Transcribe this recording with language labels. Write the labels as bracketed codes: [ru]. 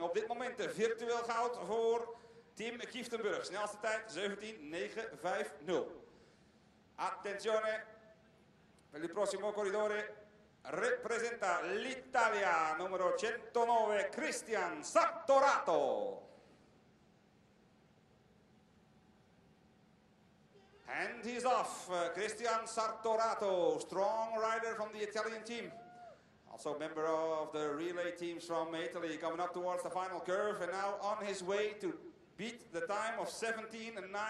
[nl] Op dit moment virtueel goud voor Tim Kieftenburg, snelste tijd 17.950. [it] Attenzione, per il prossimo corridore, representa l'Italia, numero 109, Cristian Sartorato. [en] And he's off, Cristian Sartorato, strong rider from the Italian team. Also a member of the relay teams from Italy, coming up towards the final curve and now on his way to beat the time of 17.950.